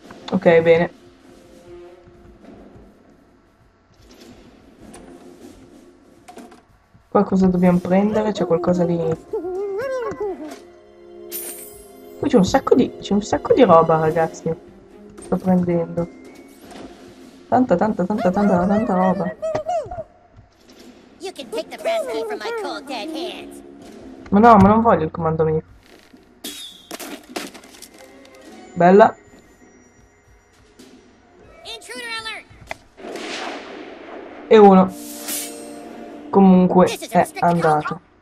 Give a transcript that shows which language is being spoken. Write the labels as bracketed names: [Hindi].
[Italian] Ok, bene. Qua cosa dobbiamo prendere? C'è qualcosa di. Qui c'è un sacco di. C'è un sacco di roba, ragazzi. Sto prendendo. Tanta roba. [English] You can take the brass key from my cold dead hands. [Italian] Ma no, ma non voglio il comando mio. Bella. E uno. Comunque è andato.